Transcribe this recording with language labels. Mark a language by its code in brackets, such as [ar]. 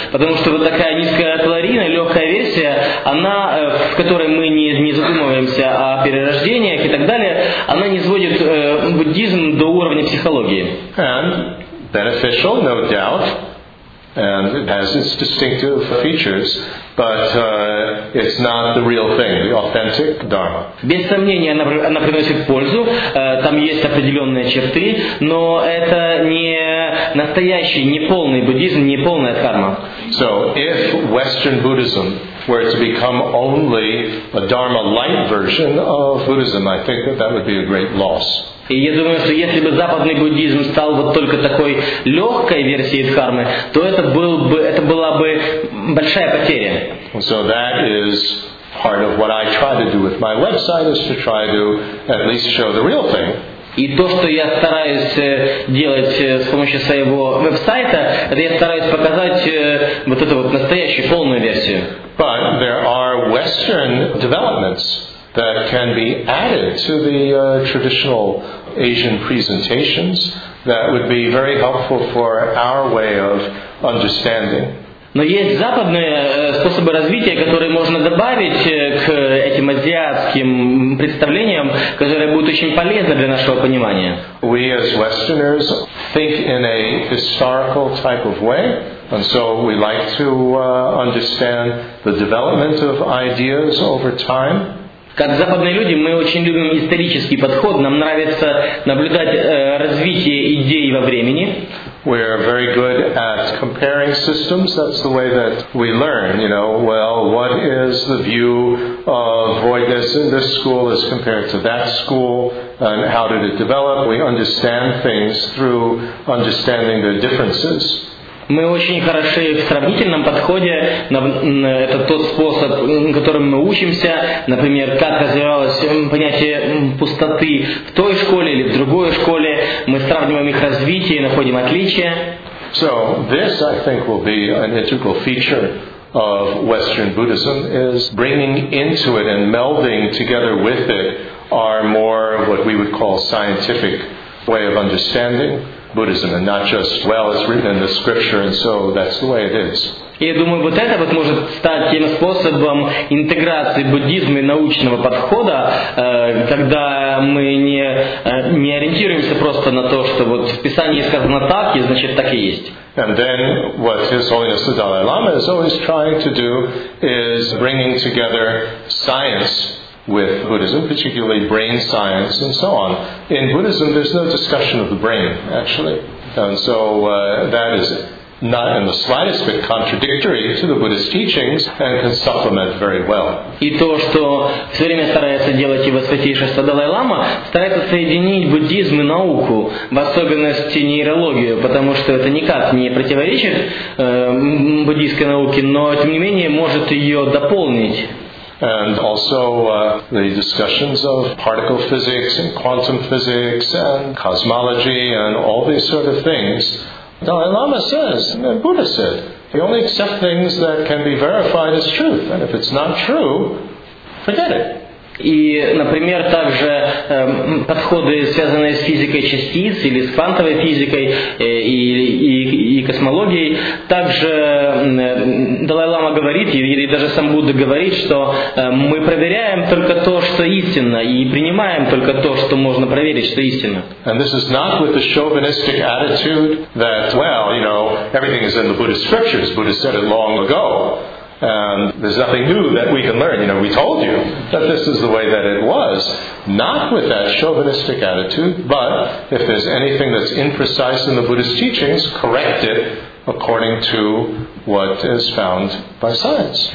[ru] Потому что вот такая низкокалорийная, легкая версия, она, в которой мы не задумываемся о перерождениях и так далее, она не сводит буддизм до уровня психологии. [en] Beneficial, no doubt, and it has its distinctive features, but it's not the real thing, the authentic dharma. [ru] Без сомнения, она приносит пользу, там есть определенные черты, но это не настоящий, не полный буддизм, не полная дхарма. [en] So, if Western Buddhism were to become only a dharma-light version of Buddhism, I think that would be a great loss. [ru] И я думаю, что если бы западный буддизм стал вот только такой легкой версией дхармы, то это была бы большая потеря. [en] So that is part of what I try to do with my website, is to try to at least show the real thing. [ru] И то, что я стараюсь делать с помощью своего веб-сайта, это я стараюсь показать вот эту вот настоящую полную версию. [en] But there are Western developments that can be added to the traditional Asian presentations that would be very helpful for our way of understanding. [ru] Но есть западные способы развития, которые можно добавить к этим азиатским представлениям, которые будут очень полезны для нашего понимания. [en] We as Westerners think in a historical type of way, and so we like to understand the development of ideas over time. [ru] Как западные люди, мы очень любим исторический подход, нам нравится наблюдать развитие идей во времени. [en] We are very good at comparing systems. That's the way that we learn. You know, well, what is the view of voidness in this school as compared to that school? And how did it develop? We understand things through understanding their differences. [ru] Мы очень хороши в сравнительном подходе. Это тот способ, которым мы учимся. Например, как развивалось понятие пустоты в той школе или в другой школе. Мы сравниваем их развитие, находим отличия. [en] So, this, I think, will be an integral feature of Western Buddhism, is bringing into it and melding together with it our more what we would call scientific way of understanding Buddhism, and not just, well, it's written in the scripture, and so that's the way it is. [ru] Я думаю, вот это вот может стать тем способом интеграции буддизма и научного подхода, когда мы не ориентируемся просто на то, что вот в Писании сказано так, и значит так и есть. [en] And then what His Holiness the Dalai Lama is always trying to do is bringing together science with Buddhism, particularly brain science and so on. In Buddhism, there's no discussion of the brain, actually. And so that is not in the slightest bit contradictory to the Buddhist teachings and can supplement very well. [ru] И то, что все время старается делать его святейшество Далай-лама, старается соединить буддизм и науку, в особенности нейрологию, потому что это никак не противоречит буддийской науке, но тем не менее может ее дополнить. [en] And also the discussions of particle physics and quantum physics and cosmology and all these sort of things. Dalai Lama says, and Buddha said, we only accept things that can be verified as truth. And if it's not true, forget it. [ru] И, например, также подходы, связанные с физикой частиц или с квантовой физикой и космологией, также Далай-лама говорит, или даже сам Будда говорит, что мы проверяем только то, что истинно, и принимаем только то, что можно проверить, что истинно. [en] And this is not with the chauvinistic attitude that, well, you know, everything is in the Buddhist scriptures, Buddha said it long ago. And there's nothing new that we can learn. You know, we told you that this is the way that it was. Not with that chauvinistic attitude, but if there's anything that's imprecise in the Buddhist teachings, correct it according to what is found by science.